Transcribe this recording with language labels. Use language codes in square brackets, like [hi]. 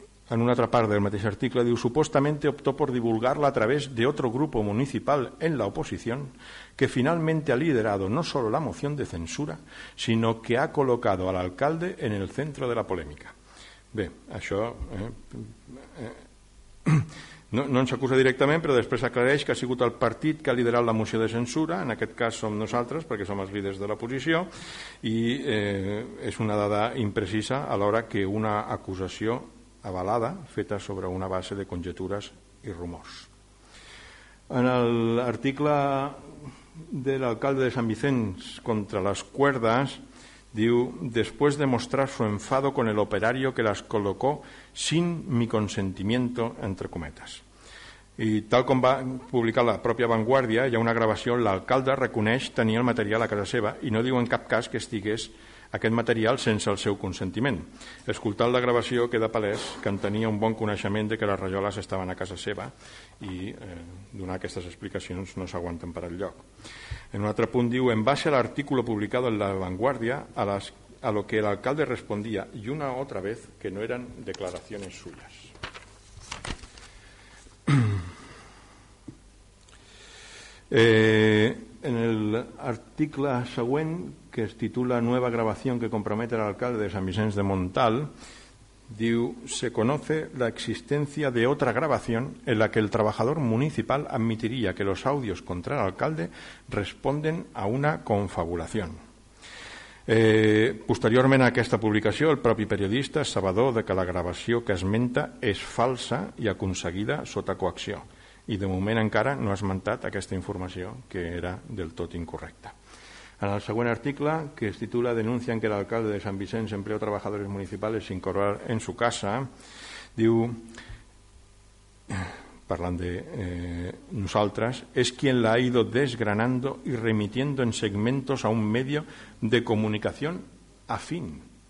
[ca] En una altra part del mateix article diu [es] supuestamente optó por divulgarla a través de otro grupo municipal en la oposición que finalmente ha liderado no solo la moción de censura sino que ha colocado al alcalde en el centro de la polémica. [ca] Bé, això... No ens acusa directament, però després aclareix que ha sigut el partit que ha liderat la moció de censura, en aquest cas som nosaltres perquè som els líders de l'oposició, i és una dada imprecisa a l'hora que una acusació avalada feta sobre una base de conjectures i rumors. En l'article de l'alcalde de Sant Vicenç contra les cuerdas, diu, [es] después de mostrar su enfado con el operario que las colocó sin mi consentimiento, entre cometas. [ca] I tal com va publicar la pròpia Vanguardia, hi ha una gravació, l'alcalde reconeix tenir el material a casa seva i no diu en cap cas que estigués aquest material sense el seu consentiment. Escoltant la gravació queda palès que en tenia un bon coneixement de que les rajoles estaven a casa seva i donar aquestes explicacions no s'aguanten per al lloc. En un altre punt diu, en base a l'article publicat en la Vanguardia, [es] a lo que el alcalde respondía y una otra vez que no eran declaraciones suyas. [ca] En el article següent, que es titula [es] Nueva grabación que compromete al alcalde de San Vicenç de Montal, diu, se conoce la existencia de otra grabación en la que el trabajador municipal admitiría que los audios contra el alcalde responden a una confabulación. [ca] Posteriorment a aquesta publicació, el propi periodista es assabenta de que la gravació que esmenta és falsa i aconseguida sota coacció. I de moment encara no ha esmentat aquesta informació, que era del tot incorrecta. En el següent article, que es titula [es] Denuncian que el alcalde de San Vicenç empleó trabajadores municipales sin cobrar en su casa, [ca] diu, parlant de nosaltres, [es] és quien la ha ido desgranando y remitiendo en segmentos a un medio de comunicación afín.